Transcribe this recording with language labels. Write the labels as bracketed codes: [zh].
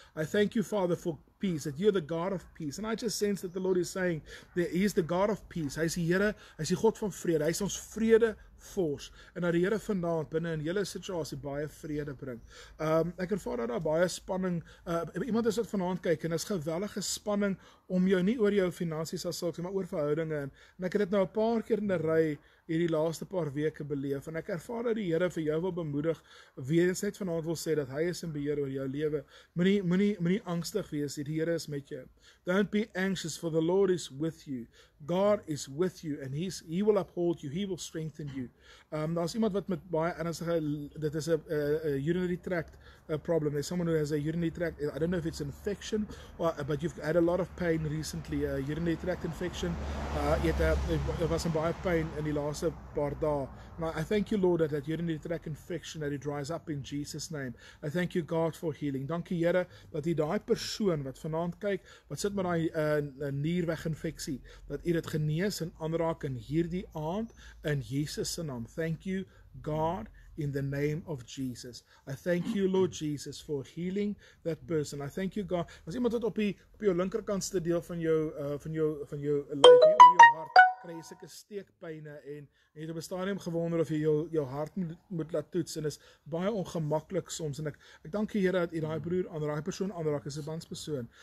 [en] I thank you, Father, for peace, that you're the God of peace. And I just sense that the Lord is saying that he is the God of peace. [af] Hy is die Here, hy is die God van vrede, hy is ons vrede fors. En dat die Here vanavond binnen in julle situasie baie vrede bring. Ek ervaar dat daar baie spanning, iemand is wat vanavond kyk, en is geweldige spanning om jou nie oor jou finansies as sulks, maar oor verhoudinge. En ek het dit nou 'n paar keer in die ry hierdie laaste paar weke beleef, en ek ervaar dat die Here vir jou wil bemoedig, weer eens net vanavond wil sê, dat hy is in beheer oor jou lewe. Moenie angstig wees, die Here is met jou. [en] Don't be anxious, for the Lord is with you. God is with you, and he will uphold you, he will strengthen you. [af] Daar is iemand wat met baie ernstige, dit is [en] a urinary tract problem, there's someone who has a urinary tract, I don't know if it's infection, but you've had a lot of pain recently, a urinary tract infection, it was in [af] baie [en] pain [af] in die laaste paar dae. [en] Now I thank you Lord that urinary tract infection, that it dries up in Jesus name. I thank you God for healing. [af] Dankie Here dat die daai persoon wat vanaand kyk, wat sit met daai nierweg infeksie, dat u dit genees en aanraak in hierdie aand in Jesus se naam. [en] Thank you God in the name of Jesus. I thank you Lord Jesus for healing that person. I thank you God. [af] As iemand wat op jou linkerkantste deel van jou lyf, op jou hart kry sulke steekpyne en het op 'n stadium gewonder of jy jou hart moet laat toets en is baie ongemaklik soms en ek dank die Here dat u daai broer aan daai persoon aanraak, is 'n bandspersoon.